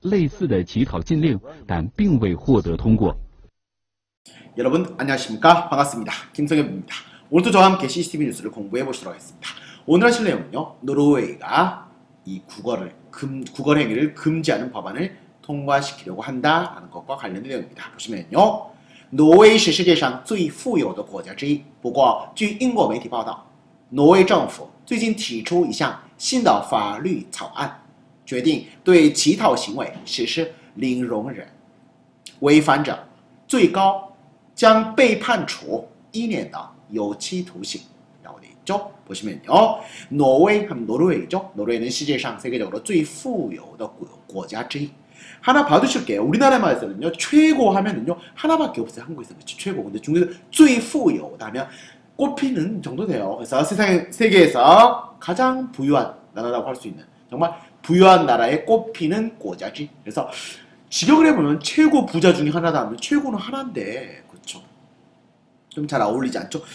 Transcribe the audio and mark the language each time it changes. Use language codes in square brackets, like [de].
[zh] 政府十分担心外国乞丐的流入可能和有组织的犯罪活动有着千丝万缕的联系，导致了近年来犯罪率的提高。因此，有必要通过立法来清除这种社会隐患。2005年，挪威政府也曾提出过类似的乞讨禁令，但并未获得通过。 [ko] 여러분 안녕하십니까? 반갑습니다. 김성엽입니다. 오늘도 저와 함께 CCTV 뉴스를 공부해 보시도록 하겠습니다. 오늘 하실 내용은요, 노르웨이가 이 구걸 행위를 금지하는 법안을 통과시키려고 한다라는 것과 관련된 내용입니다. 보시면요, [zh] 挪威是世界上最富有的国家之一。不过，据英国媒体报道，挪威政府最近提出一项新的法律草案，决定对乞讨行为实施零容忍，违反者最高将被判处1年的有期徒刑。 [ko] 보시면요, 노르웨이는 세계적으로 [zh] 最富有的国家之一. [ko] 하나 봐두실게요. 우리나라에서는요, 최고 하면은요 하나밖에 없어요. 한국에서 그치? 최고. 근데 중국에서 [zh] 最富有 [ko] 다면 꼽히는 정도 돼요. 그래서 세상 세계에서 가장 부유한 나라라고 할 수 있는, 정말 부유한 나라에 꼽히는 [zh] 国家之一. [ko] 그래서 직역을 해보면 최고 부자 중에 하나다면 최고는 하나인데. 좀 잘 어울리지 않죠?